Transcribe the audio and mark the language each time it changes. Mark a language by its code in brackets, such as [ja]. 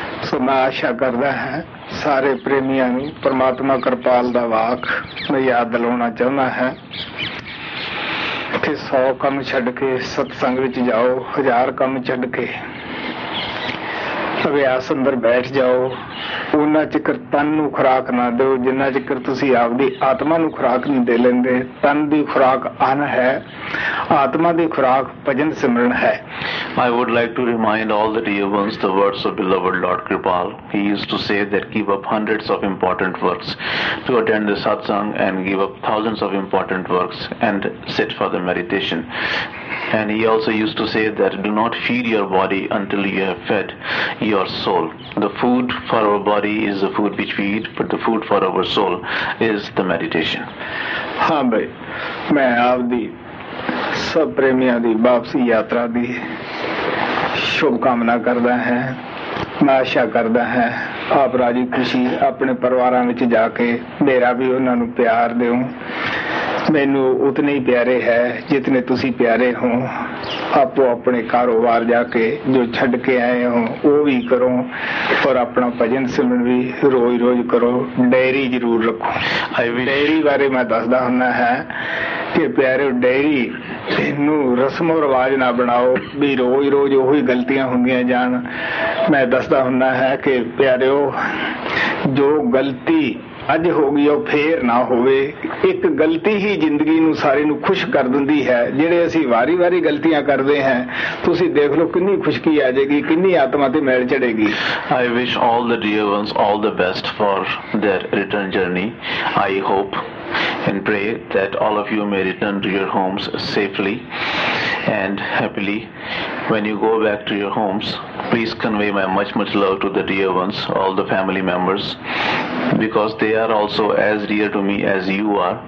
[pa] so main aasha karda hai sare premiyan nu parmatma kripal da vaak main yaad dilona chahunda hai ke 100 kam chhad ke satsang vich jao 1000 kam chhad ke ਅਭਿਆਸ ਅੰਦਰ ਬੈਠ ਜਾਓ ਉਹਨਾਂ ਚਿਕਰ ਤਨ ਨੂੰ ਖੁਰਾਕ ਨਾ ਦਿਓ ਜਿੰਨਾ ਚਿਕਰ ਤੁਸੀਂ ਆਪਦੀ ਆਤਮਾ ਨੂੰ ਖੁਰਾਕ ਨਹੀਂ ਦੇ ਲੈਂਦੇ ਤਨ ਦੀ ਖੁਰਾਕ ਅੰਨ ਹੈ ਆਤਮਾ ਦੀ ਖੁਰਾਕ ਭਜਨ ਸਿਮਰਨ ਹੈ [en] I would like to remind all the dear ones the words of beloved Lord Kirpal. He used to say that give up hundreds of important works to attend the satsang and give up thousands of important works and sit for the meditation. And he also used to say that do not feed your body until you have fed your soul. The food for our body is the food which we eat, but the food for our soul is the meditation. [pa] Haan bhai, main aapdi sab premiyan di vapsi yatra di ਸ਼ੁਭਕਾਮਨਾ ਕਰਦਾ ਹੈ ਮੈਂ ਆਸ਼ਾ ਕਰਦਾ ਹੈ ਆਪ ਰਾਜੀ ਖੁਸ਼ੀ ਆਪਣੇ ਪਰਿਵਾਰਾਂ ਵਿੱਚ ਜਾ ਕੇ ਮੇਰਾ ਵੀ ਉਹਨਾਂ ਨੂੰ ਪਿਆਰ ਦਿਓ ਮੈਨੂੰ ਉਤਨੇ ਹੀ ਪਿਆਰੇ ਹੈ ਜਿਤਨੇ ਤੁਸੀਂ ਪਿਆਰੇ ਹੋ ਆਪੋ ਆਪਣੇ ਕਾਰੋਬਾਰ ਜਾ ਕੇ ਜੋ ਛੱਡ ਕੇ ਆਏ ਹੋ ਉਹ ਵੀ ਕਰੋ ਔਰ ਆਪਣਾ ਭਜਨ ਸਿਮਰਨ ਵੀ ਰੋਜ਼ ਰੋਜ਼ ਕਰੋ ਡੈਰੀ ਜ਼ਰੂਰ ਰੱਖੋ ਡੈਰੀ ਬਾਰੇ ਮੈਂ ਦੱਸਦਾ ਹੁੰਦਾ ਹੈ ਕਿ ਪਿਆਰੇ ਡੈਰੀ ਇਹਨੂੰ ਰਸਮੋ ਰਿਵਾਜ਼ ਨਾ ਬਣਾਓ ਵੀ ਰੋਜ਼ ਰੋਜ਼ ਉਹ ਹੀ ਗਲਤੀਆਂ ਹੁੰਦੀਆਂ ਜਾਣ ਮੈਂ ਦੱਸਦਾ ਹੁੰਦਾ ਹੈ ਕਿ ਪਿਆਰਿਓ ਜੋ ਗਲਤੀ ਅੱਜ ਹੋ ਗਈ ਉਹ ਫੇਰ ਨਾ ਹੋਵੇ ਇੱਕ ਗਲਤੀ ਹੀ ਜ਼ਿੰਦਗੀ ਨੂੰ ਸਾਰੇ ਨੂੰ ਖੁਸ਼ ਕਰ ਦਿੰਦੀ ਹੈ ਜਿਹੜੇ ਅਸੀਂ ਵਾਰੀ ਵਾਰੀ ਗਲਤੀਆਂ ਕਰਦੇ ਹਾਂ ਤੁਸੀਂ ਦੇਖ ਲਓ ਕਿੰਨੀ ਖੁਸ਼ਕੀ ਆ ਜਾਏਗੀ ਕਿੰਨੀ ਆਤਮਾ ਤੇ ਮੈਲ ਚੜੇਗੀ [en] I wish all the dear ones all the best for their return journey I hope and pray that all of you may return to your homes safely and happily. When you go back to your homes, please convey my much, much love to the dear ones, all the family members, because they are also as dear to me as you are.